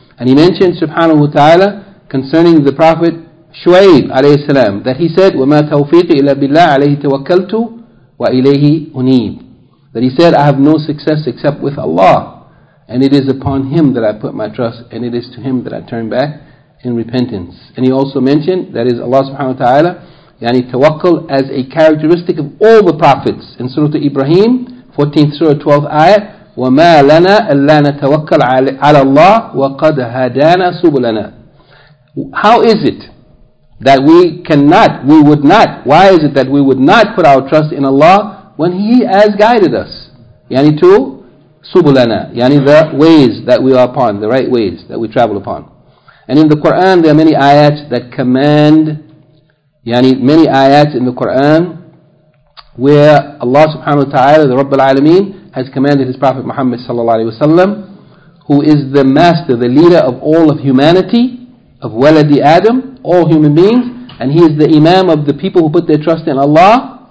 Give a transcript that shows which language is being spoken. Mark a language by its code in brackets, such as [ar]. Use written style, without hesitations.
[en] And he mentioned, subhanahu wa ta'ala, concerning the Prophet Shu'ayb alayhi salam, that he said, [ar] وَمَا تَوْفِيقِ إِلَّا بِاللَّهِ عَلَيْهِ تَوَكَّلْتُ وَإِلَيْهِ أُنِيبُ. [en] That he said, I have no success except with Allah, and it is upon Him that I put my trust, and it is to Him that I turn back in repentance. And he also mentioned, that is Allah subhanahu wa ta'ala, yani, tawakkul as a characteristic of all the prophets. In Surah Ibrahim, 14th Surah, 12th Ayah, [ar] وَمَا لَنَا أَلَّا نَتَوَكَّلْ عَلَى اللَّهِ وَقَدْ هَدَانَا سُبُلَنَا. [en] How is it that we cannot, we would not, why is it that we would not put our trust in Allah when He has guided us? Yani, to سُبُلَنَا, yani, the ways that we are upon, the right ways that we travel upon. And in the Quran, there are many ayats that command, yani, many ayats in the Quran where Allah subhanahu wa ta'ala, the Rabbul Alameen, has commanded His Prophet Muhammad sallallahu alayhi wa sallam, who is the master, the leader of all of humanity, of Waladi Adam, all human beings, and he is the imam of the people who put their trust in Allah.